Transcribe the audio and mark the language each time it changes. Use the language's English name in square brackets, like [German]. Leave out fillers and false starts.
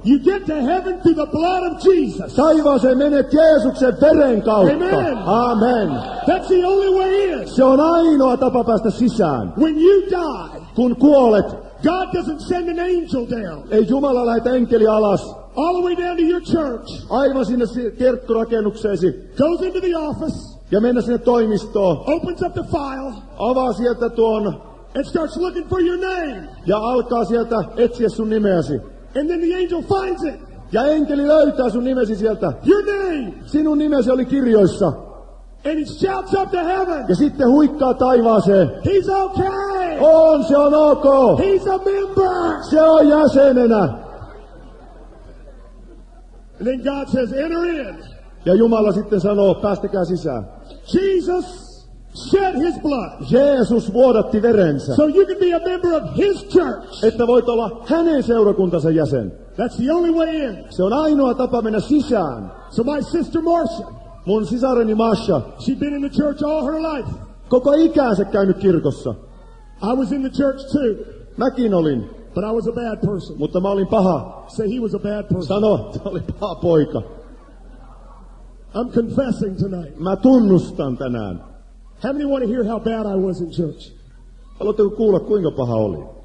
[English] You get to heaven through the blood of Jesus. [Finnish] Taivaaseen menet Jeesuksen veren kautta. [English] Amen. [Finnish] Amen. [English] That's the only way in. [Finnish] Se on ainoa tapa päästä sisään. [English] When you die, [Finnish] kun kuolet, [English] God doesn't send an angel down. [Finnish] Ei Jumala lähetä enkeli alas. [English] All the way down to your church. [Finnish] Aivan sinne kirkkorakennukseesi. [English] Goes into the office. [Finnish] Ja mennä sinne toimistoon. [English] Opens up the file. [Finnish] Avaa sieltä tuon. [English] And starts looking for your name. [Finnish] Ja alkaa sieltä etsiä sun nimeäsi. [English] And then the angel finds it. [Finnish] Ja enkeli löytää sun nimesi sieltä. [English] Your name. [Finnish] Sinun nimesi oli kirjoissa. [English] And he shouts up to heaven. [Finnish] Ja sitten huikkaa taivaaseen. [English] He's okay. [Finnish] On, se on ok. [English] He's a member. [Finnish] Se on jäsenenä. [English] And then God says, enter in. [Finnish] Ja Jumala sitten sanoo, päästäkää sisään. [English] Jesus shed his blood. [Finnish] Jeesus vuodatti verensä. [English] So you can be a member of his church. [Finnish] Että voit olla hänen seurakuntansa jäsen. [English] That's the only way in. [Finnish] Se on ainoa tapa mennä sisään. [English] So my sister Marcia. [Finnish] Mun sisareni Masha. [English] She'd been in the church all her life. [Finnish] Koko ikänsä käynyt kirkossa. [English] I was in the church too. [Finnish] Mäkin olin. [English] But I was a bad person. [Finnish] Mutta mä olin paha. [English] Say he was a bad person. [Finnish] Sano, se oli paha poika. [English] I'm confessing tonight. [Finnish] Mä tunnustan tänään. [English] How many want to hear how bad I was in church? [Finnish] Haluatteko kuulla kuinka paha oli?